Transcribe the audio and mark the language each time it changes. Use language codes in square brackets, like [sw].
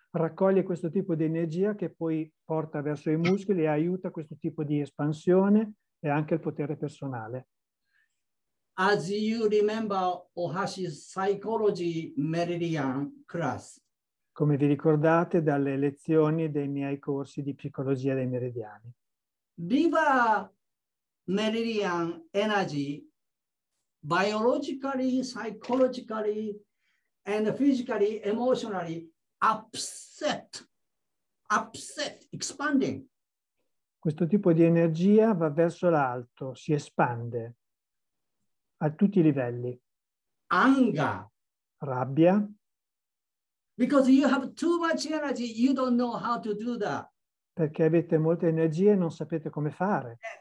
[it] raccoglie questo tipo di energia che poi porta verso i muscoli e aiuta questo tipo di espansione e anche il potere personale. [en] As you remember Ohashi's psychology meridian class. [it] Come vi ricordate dalle lezioni dei miei corsi di psicologia dei meridiani. [en] Viva meridian energy biologically, psychologically and physically, emotionally upset, expanding. [it] Questo tipo di energia va verso l'alto, si espande a tutti i livelli. [en] Anger, [it] rabbia. [en] Because you have too much energy, you don't know how to do that. [it] Perché avete molta energia e non sapete come fare.